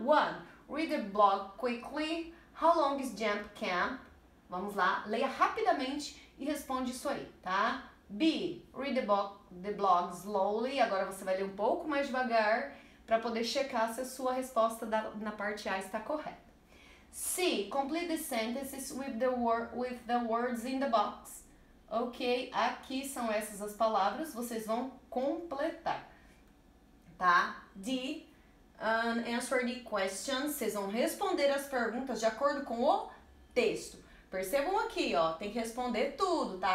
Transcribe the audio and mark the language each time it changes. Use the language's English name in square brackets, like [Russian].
[English] One, read the blog quickly. How long is jump camp? [Portuguese] Vamos lá, leia rapidamente e responde isso aí, tá? [English] B, read the blog slowly. [Portuguese] Agora você vai ler um pouco mais devagar para poder checar se a sua resposta da, na parte A está correta. [English] C, complete the sentences with the words in the box. [Portuguese] Ok, aqui são essas as palavras, vocês vão completar, tá? [English] D, answer the questions. [Portuguese] Vocês vão responder as perguntas de acordo com o texto. Percebam aqui, ó, tem que responder tudo, tá?